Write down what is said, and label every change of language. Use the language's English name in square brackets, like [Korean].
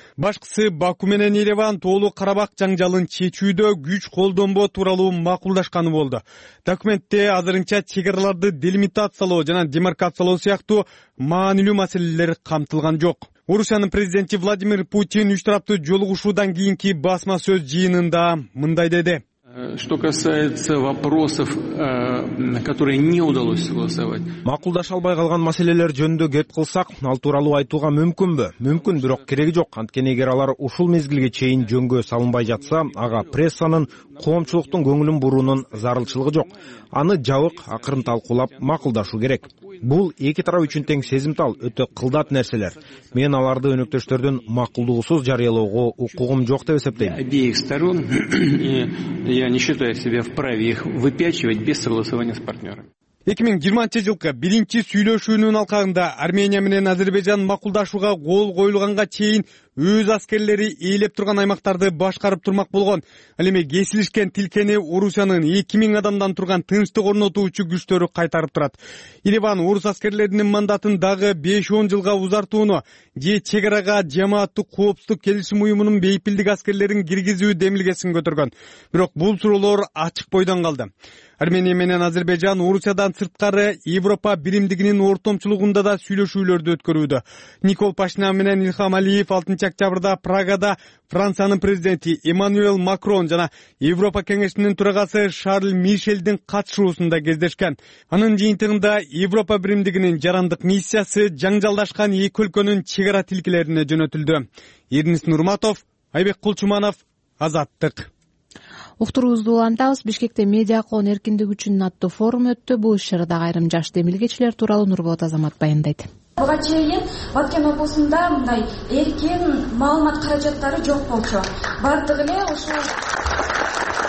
[Kyrgyz] Башкысы Баку менен Ереван Тоолу Карабак жаңжалын чечүүдө күч колдонбоо тууралуу макулдашканы болду. Документте азырынча чек араларды делимитациялоо жана демаркациялоо сыяктуу маанилүү маселелер камтылган жок. Орусиянын президенти Владимир Путин үч тараптуу жолугушуудан кийинки басма сөз жыйынында мындай деди. [Russian] Что касается вопросов, которые не удалось согласовать. [Kyrgyz] Макулдаша албай калган маселелер жөнүндө кеп кылсак, ал тууралуу айтууга мүмкүнбү? Мүмкүн, бирок кереги жок. Анткени эгер алар ушул мезгилге чейин жөнгө салынбай жатса, ага прессанын, коомчулуктун көңүлүн буруунун зарылчылыгы жок. Аны жабык, акырын талкуулап макулдашуу керек. Бул эки тарап үчүн тең сезимтал, өтө кылдат нерселер. Мен аларды өнөктөштөрдүн макулдугусуз жарыялоого укугум жок деп эсептейм. [Russian] Обеих сторон, я не считаю себя вправе их выпячивать без согласования с партнёрами. [Kyrgyz] 2020-жылкы биринчи сүйлөшүүнүн алкагында Армения менен Азербайджан макулдашууга кол коюлганга чейин өз аскерлери ээлеп турган аймактарды башкарып турмак болгон. Ал эми кесилишкен тилкени Орусиянын 2000 адамдан турган тынчтык орнотуучу күчтөрү кайтарып турат. Ереван орус аскерлеринин мандатын дагы 5-10 жылга узартууну же чек арага жамааттык коопсуздук келишим уюмунун бейпилдик аскерлерин киргизүү демилгесин көтөргөн. Бирок бул суроолор ачык бойдон калды. Армения менен Азербайджан Орусиядан сырткары Европа биримдигинин ортомчулугунда да сүйлөшүүлөрдү өткөрүүдө. Никол Пашинян менен Ильхам Алиев 6 октябрда Прагада Франциянын президенти Эммануэль Макрон жана Европа кеңешинин төрагасы Шарль Мишельдин катышуусунда кездешкен. Анын жыйынтыгында Европа биримдигинин жарандык миссиясы жаңжалдашкан эки өлкөнүн чек ара тилкелерине жөнөтүлдү. Эрнис Нурматов, Айбек Кулчуманов, Азаттык. Уктурубузду улантабыз. Бишкекте медиа коон эркиндиги үчүн аттуу форум өттү. Бул иш чарада айрым жаш демилгечилер тууралуу Нурболот Азамат баяндайт. Буга чейин Баткен облусунда мындай эркин маалымат каражаттары жок болчу. Бардыгы эле ушул